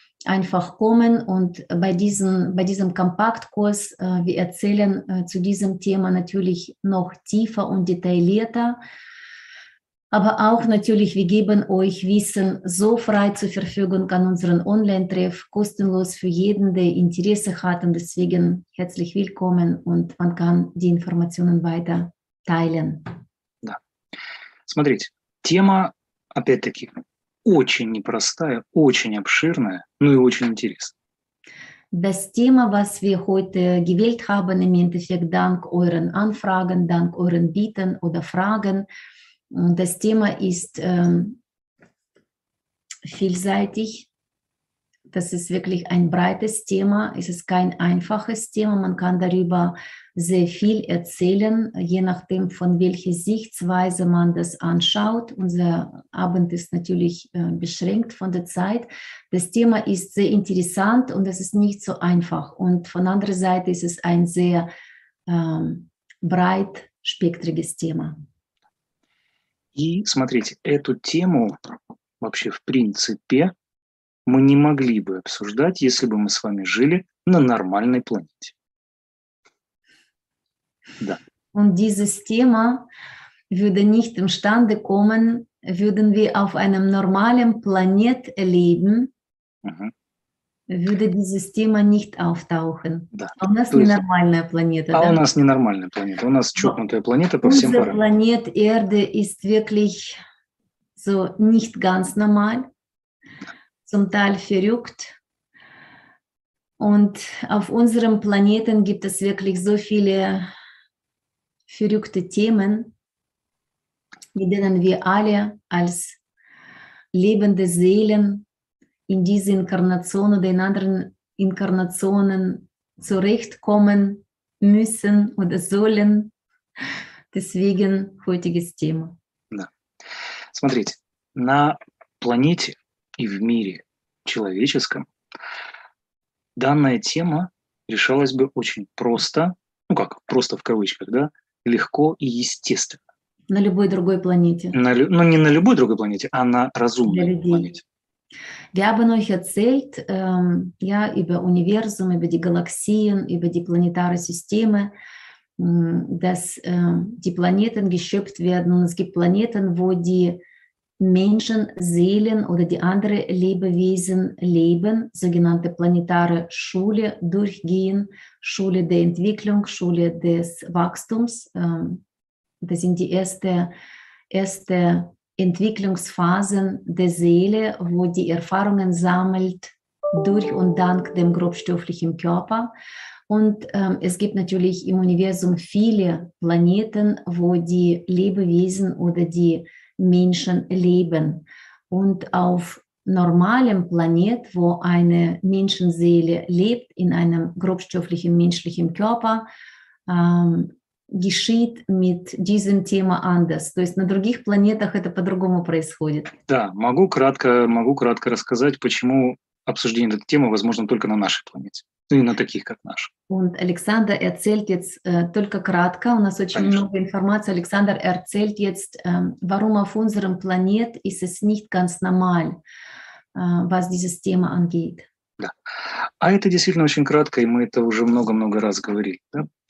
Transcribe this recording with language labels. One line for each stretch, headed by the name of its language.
German: Einfach kommen und bei diesem Kompaktkurs, wir erzählen zu diesem Thema natürlich noch tiefer und detaillierter, aber auch natürlich, wir geben euch Wissen so frei zur Verfügung an unseren Online-Treff, kostenlos für jeden, der Interesse hat und deswegen herzlich willkommen und man kann die Informationen weiter teilen. Ja.
Russian: Смотрите, Thema, опять-таки, очень непростая, очень обширная, ну и очень интересная.
German: Das Thema, was wir heute gewählt haben, im Endeffekt dank euren Anfragen, dank euren Bitten oder Fragen, das Thema ist vielseitig. Das ist wirklich ein breites Thema. Es ist kein einfaches Thema. Man kann darüber sehr viel erzählen, je nachdem, von welcher Sichtweise man das anschaut. Unser Abend ist natürlich beschränkt von der Zeit. Das Thema ist sehr interessant und es ist nicht so einfach. Und von anderer Seite ist es ein sehr breitspektriges Thema.
Russian: И смотрите, эту тему вообще в принципе мы не могли бы обсуждать, если бы мы с вами жили на нормальной планете. Да.
German: Und dieses Thema würde nicht imstande kommen, würden wir auf einem normalen Planet leben, würde dieses Thema nicht auftauchen.
Russian: Да. А у нас то ненормальная есть... планета. А да? У нас ненормальная планета. У нас чокнутая планета по всем параметрам. Планет
German: Erde ist wirklich so nicht ganz normal. Zum Teil verrückt. Und auf unserem Planeten gibt es wirklich so viele verrückte Themen, mit denen wir alle als lebende Seelen in diese Inkarnation oder in anderen Inkarnationen zurechtkommen müssen oder sollen. Deswegen heutiges Thema.
Russian: Да. Смотрите, на планете и в мире человеческом, данная тема решалась бы очень просто, ну как, просто в кавычках, да, легко и естественно. На любой другой планете. Ну не на любой другой планете, а на разумной планете.
German: Wir haben euch erzählt, ja, über Universum, über die Galaxien, über die planetaren Systeme, dass die Planeten geschöpft werden. Und es gibt Planeten, wo die Menschen, Seelen oder die anderen Lebewesen leben, sogenannte planetare Schule durchgehen, Schule der Entwicklung, Schule des Wachstums. Das sind die erste Entwicklungsphasen der Seele, wo die Erfahrungen sammelt durch und dank dem grobstofflichen Körper. Und es gibt natürlich im Universum viele Planeten, wo die Lebewesen oder die Menschen leben. Und auf normalem Planet, wo eine Menschenseele lebt, in einem grobstofflichen menschlichen Körper, geschieht mit diesem Thema anders.
Russian: То есть на других планетах это по-другому происходит. Да, могу кратко рассказать, почему обсуждение этой темы возможно только на нашей планете. Ну и на таких, как наш.
German: Und Alexander erzählt jetzt
Russian: только кратко, у нас очень Конечно. Много информации.
German: Alexander erzählt jetzt, warum auf unserem Planet ist es nicht ganz normal, was dieses Thema angeht.
Russian: Да. А это действительно очень кратко, и мы это уже много-много раз говорили. Да?